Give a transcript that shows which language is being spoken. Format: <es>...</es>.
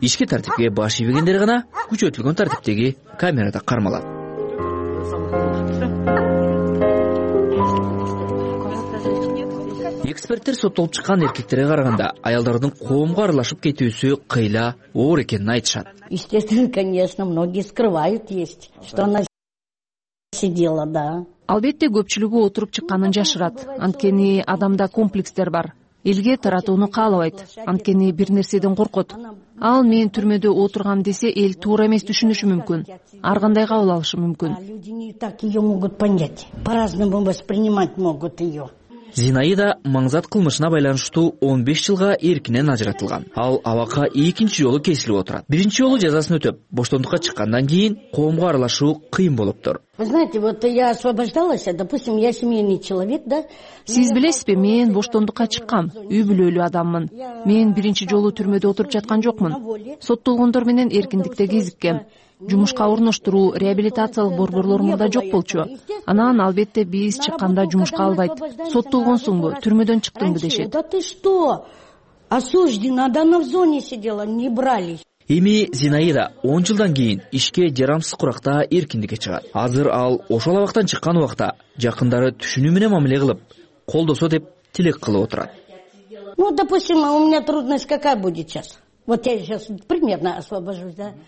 <ky>Ишке тартипке баш ийбегендер гана күчөтүлгөн тартиптеги камерада кармалат. эксперттер соттолуп чыккан эркектерге караганда аялдардын коомго аралашып кетүүсү кыйла оор экенин айтышат.</ky> <ru>Естественно, конечно, многие скрывают есть, что она сидела, да.</ru> <ky>Албетте, көпчүлүгү отуруп чыкканын жашырат. Анткени адамда комплекстер бар. Элге таратууну каалабайт. Анткени бир нерседен коркот. Ал мен түрмөдө отургам десе, эл туура эмес түшүнүшү мүмкүн. Ар кандай кабыл алышы мүмкүн.</ky> <ru>Люди не так её могут понять. По-разному воспринимать могут её.</ru> <ky>Зинаида маңзат кылмышына байланыштуу 15 жылга эркинен ажыратылган. Ал абакка экинчи жолу кесилип отурат. Биринчи жолу жазасын өтөп, боштондукка чыккандан кийин коомго аралашуу кыйын болуптур.</ky> <ru>Вы знаете, вот я освобождалась, допустим, я семейный человек, да?</ru> <ky>Сиз билесизби, мен боштондукка чыккам, үй бүлөлүү адаммын. Мен биринчи жолу түрмөдө отуруп жаткан жокмун. Соттолгондор менен эркиндикте кезиккем. Жумушка орноштуруу, реабилитациялык борборлор мында жок болчу. Анан албетте биз чыкканда жумушка албайт. Соттолгонсуңбу, түрмөдөн чыктыңбы дешет.</ky> <ru>Да ты что? Осуждена, да она в зоне сидела, не брали.</ru> <ky>Эми Зинаида 10 жылдан кийин ишке жарамсыз куракта эркиндикке чыгат. Азыр ал ошол абактан чыккан убакта жакындары түшүнүү менен мамиле кылып, колдосо деп тилек кылып отурат.</ky> <ru>Ну, допустим, у меня трудность какая будет сейчас? Вот я сейчас примерно освобожусь, да?</ru>